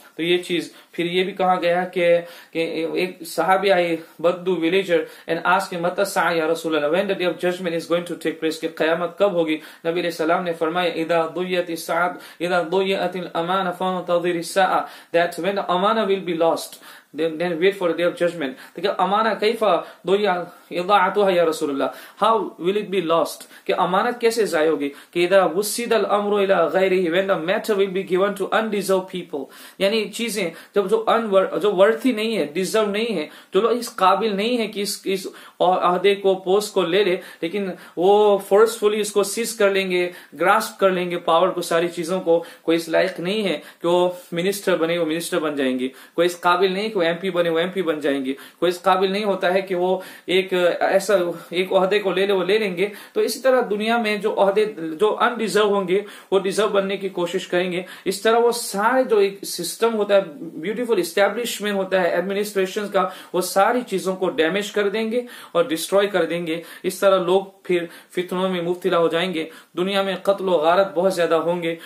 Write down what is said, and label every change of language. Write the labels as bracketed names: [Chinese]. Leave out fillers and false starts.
[Urdu] تو یہ چیز, پھر یہ بھی کہا گیا کہ ایک صحابی آئے, بدو ویلیجر, [English] and ask him [Arabic] متى الساعة یا رسول اللہ, [English] when the day of judgment is going to take place, [Urdu] کہ قیامت کب ہوگی. نبی علیہ السلام نے فرمایا, [Arabic] اذا ضیعت الامانه فانتظر الساعة, [English] That when the امانه will be lost, then wait for the day of judgment. [Urdu] Like, [Arabic] amana kaifa duya idaatuha ya rasulullah, [English] how will it be lost, [Urdu] ke amanat kaise zaya hogi, ke [Arabic] idha wusidal amru ila ghairihi, [English] when the matter will be given to undeserved people, [Urdu] yani cheeze jab jo unworthy, jo worthy nahi hai, deserve nahi hai, jo log is qabil nahi hai ki is ahde ko, post ko le le, lekin wo forcefully isko seize kar lenge, grasp kar lenge power ko, sari cheezon ko, koi is laiq nahi hai ki wo minister bane, wo minister ban jayenge, koi is qabil nahi کہ وہ M P بنے, وہ M P بن جائیں گے, کوئی اس قابل نہیں ہوتا ہے کہ وہ ایک ایسا ایک عہدے کو لے لے, وہ لے لیں گے. تو اسی طرح دنیا میں جو عہدے جو انڈیزرو ہوں گے, وہ ڈیزرو بننے کی کوشش کریں گے. اس طرح وہ سارے جو ایک سسٹم ہوتا ہے, بیوٹیفل اسٹیبلشمنٹ ہوتا ہے ایڈمنسٹریشن کا, وہ ساری چیزوں کو ڈیمیج کر دیں گے اور ڈسٹروئے کر دیں گے. اس طرح لوگ پھر فتنوں میں مبتلا ہو جائیں گے, دنیا میں قتل و غارت بہت زیادہ ہوں گے.